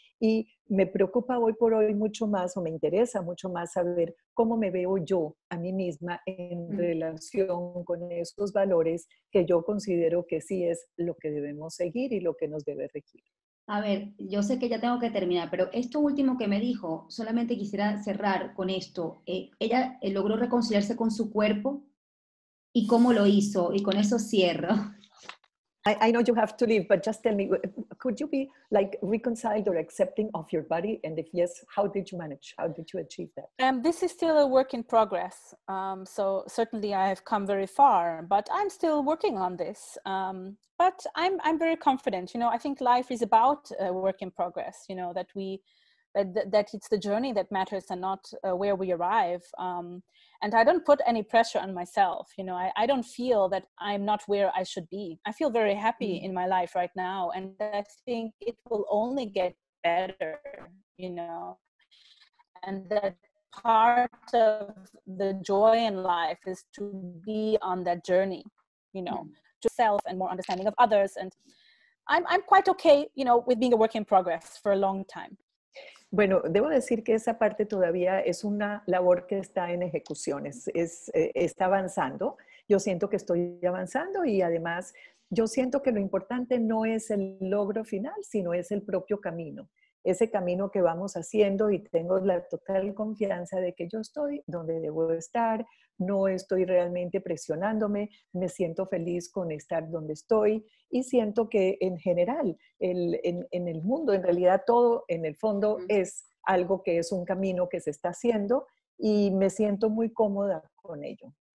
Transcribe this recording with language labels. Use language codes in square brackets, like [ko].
[es] Y me preocupa hoy por hoy mucho más, o me interesa mucho más saber cómo me veo yo a mí misma en relación con esos valores que yo considero que sí es lo que debemos seguir y lo que nos debe regir. A ver, yo sé que ya tengo que terminar, pero esto último que me dijo, solamente quisiera cerrar con esto. Ella logró reconciliarse con su cuerpo, ¿y cómo lo hizo? Y con eso cierro. [en] I know you have to leave, but just tell me, could you be like reconciled or accepting of your body? And if yes, how did you manage? How did you achieve that? This is still a work in progress. So certainly I have come very far, but I'm still working on this. But I'm very confident. You know, I think life is about a work in progress, you know, that it's the journey that matters and not where we arrive. And I don't put any pressure on myself. You know, I don't feel that I'm not where I should be. I feel very happy in my life right now. And I think it will only get better, you know. And that part of the joy in life is to be on that journey, you know, to self and more understanding of others. And I'm quite okay, you know, with being a work in progress for a long time. [es] Bueno, debo decir que esa parte todavía es una labor que está en ejecución, está avanzando. Yo siento que estoy avanzando y además yo siento que lo importante no es el logro final, sino es el propio camino. Ese camino que vamos haciendo y tengo la total confianza de que yo estoy donde debo estar, no estoy realmente presionándome, me siento feliz con estar donde estoy y siento que en general, en el mundo, en realidad todo en el fondo es algo que es un camino que se está haciendo y me siento muy cómoda con ello.